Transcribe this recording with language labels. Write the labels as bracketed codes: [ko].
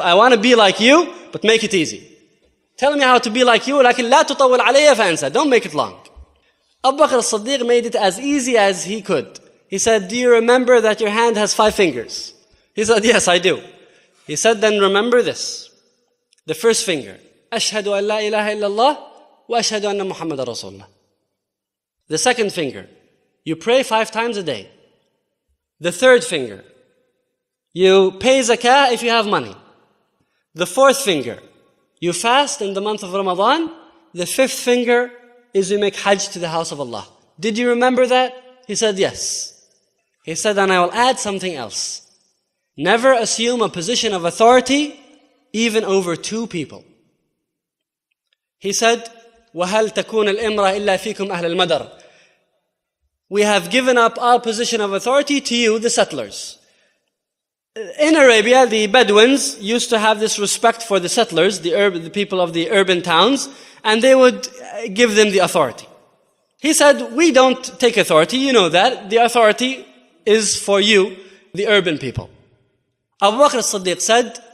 [en] I want to be like you, but make it easy. Tell me how to be like you, [ar] لكن لا تطول علي فأنسى. [en] Don't make it long. Abu Bakr as-Siddiq made it as easy as he could. He said, do you remember that your hand has 5 fingers? He said, yes, I do. He said, then remember this. The first finger. [ar] أشهد أن لا إله إلا الله وأشهد أن محمد رسول الله. [en] The second finger. You pray 5 times a day. The third finger. You pay zakah if you have money. The fourth finger. You fast in the month of Ramadan. The fifth finger is you make hajj to the house of Allah. Did you remember that? He said, yes. He said, and I will add something else. Never assume a position of authority, even over 2 people. He said, [ar] وَهَلْ تَكُونَ الْإِمْرَةِ إِلَّا فِيكُمْ أَهْلَ الْمَدَرِ. [en] We have given up our position of authority to you, the settlers. In Arabia, the Bedouins used to have this respect for the settlers, the people of the urban towns, and they would give them the authority. He said, we don't take authority, you know that. The authority is for you, the urban people. Abu Bakr as-Siddiq said,